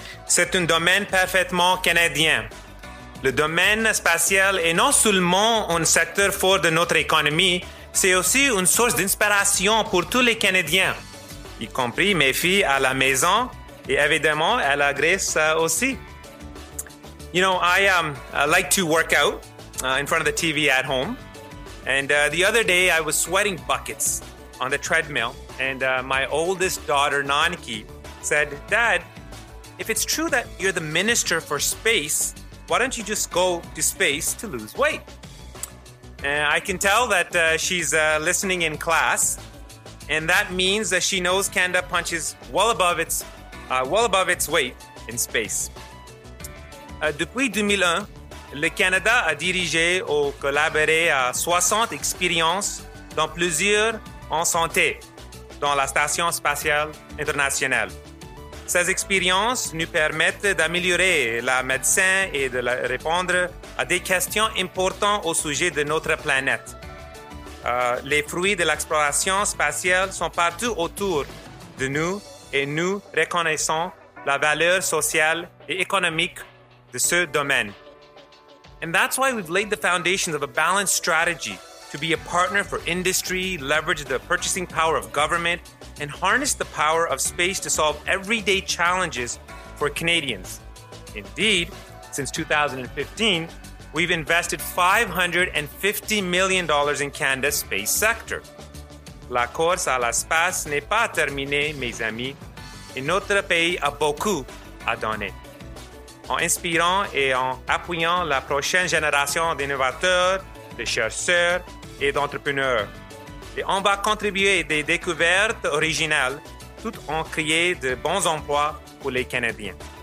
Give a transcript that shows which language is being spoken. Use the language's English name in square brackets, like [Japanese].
[French] C'est un domaine parfaitement canadien. Le domaine spatial est non seulement un secteur fort de notre économie, c'est aussi une source d'inspiration pour tous les Canadiens, y compris mes filles à la maison et évidemment à la Grèce aussi. [English] You know, I like to work out in front of the TV at home. And the other day, I was sweating buckets on the treadmill. And my oldest daughter, Nanki, said, Dad, if it's true that you're the minister for space, why don't you just go to space to lose weight? And I can tell that she's listening in class. And that means that she knows Canada punches well above its weight in space. [French] Depuis 2001, le Canada a dirigé ou collaboré à 60 expériences dans plusieurs en santé dans la Station spatiale internationale. Ces expériences nous permettent d'améliorer la médecine et de répondre à des questions importantes au sujet de notre planète. Les fruits de l'exploration spatiale sont partout autour de nous et nous reconnaissons la valeur sociale et économique de ce domaine. [English] And that's why we've laid the foundations of a balanced strategy to be a partner for industry, leverage the purchasing power of government, and harness the power of space to solve everyday challenges for Canadians. Indeed, since 2015, we've invested $550 million in Canada's space sector. [French] La course à l'espace n'est pas terminée, mes amis, et notre pays a beaucoup à donner. En inspirant et en appuyant la prochaine génération d'innovateurs, de chercheurs et d'entrepreneurs. Et on va contribuer des découvertes originales, tout en créant de bons emplois pour les Canadiens.